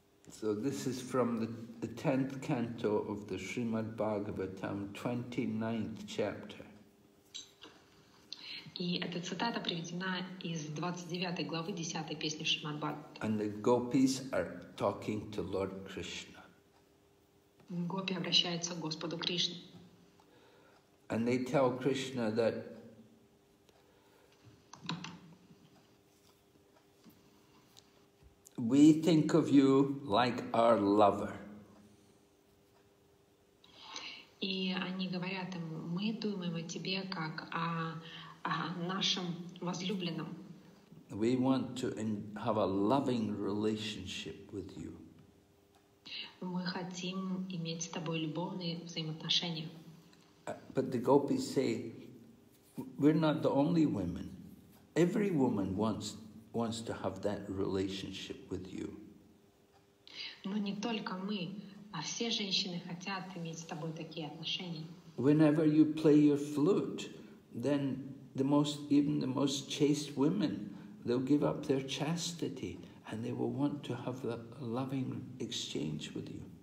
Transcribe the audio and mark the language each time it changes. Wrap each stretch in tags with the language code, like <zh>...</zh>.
<en>So this is from the 10th canto of the Srimad Bhagavatam, 29th chapter.</en> <ru>И эта цитата приведена из 29 главы 10 песни Шримад Бхагаватам.</ru> <en>And the gopis are talking to Lord Krishna.</en> <ru>Гопи обращаются к Господу Кришне.</ru> <en>And they tell Krishna that we think of you like our lover.</en> <ru>И они говорят ему, мы думаем о тебе как о нашем возлюбленном.</ru> <en>We want to have a loving relationship with you.</en> <ru>Мы хотим иметь с тобой любовные взаимоотношения.</ru> <en>But the gopis say, we're not the only women. Every woman wants to have that relationship with you.</en> <ru>Но не только мы, а все женщины хотят иметь с тобой такие отношения.</ru> <en>Whenever you play your flute, then even the most chaste women, they'll give up their chastity and they will want to have a loving exchange with you.</en>